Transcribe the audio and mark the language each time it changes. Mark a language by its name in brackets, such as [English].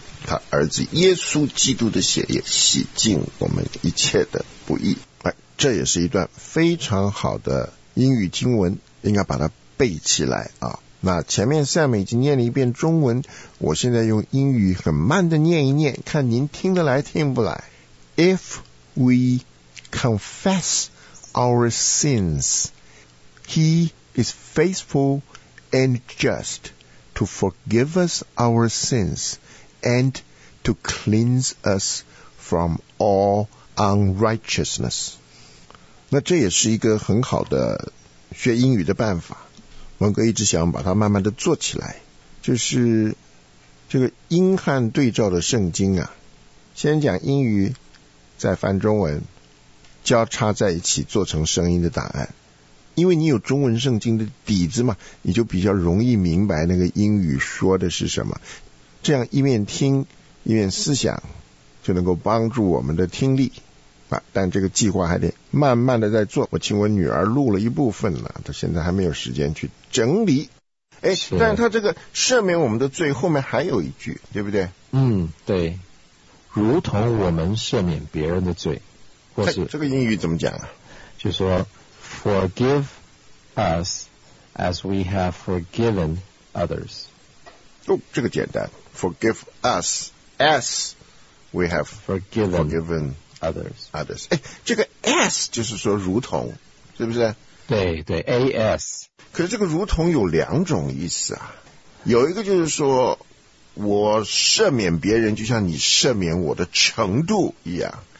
[Chinese] 他儿子耶稣基督的血也洗净我们一切的不义。哎，这也是一段非常好的英语经文，应该把它背起来啊。那前面 Sam 已经念了一遍中文，我现在用英语很慢的念一念，看您听得来听不来。 [English] If we confess our sins, He is faithful and just to forgive us our sins and to cleanse us from all unrighteousness. [Chinese] 那这也是一个很好的学英语的办法，文哥一直想把它慢慢的做起来，就是这个英汉对照的圣经啊，先讲英语，再翻中文，交叉在一起做成声音的档案。因为你有中文圣经的底子嘛，你就比较容易明白那个英语说的是什么，这样一面听一面思想，就能够帮助我们的听力。但这个计划还得慢慢的在做，我请我女儿录了一部分了，她现在还没有时间去整理。哎，但她这个赦免我们的罪后面还有一句，对不对？嗯，对，如同我们赦免别人的罪，或是这个英语怎么讲啊， [English] 就说 forgive us as we have forgiven others。哦，这个简单， forgive us as we have forgiven others。 [Chinese] 哎，这个 S 就是说如同，是不是？对对， AS。可是这个如同有两种意思啊，有一个就是说我赦免别人就像你赦免我的程度一样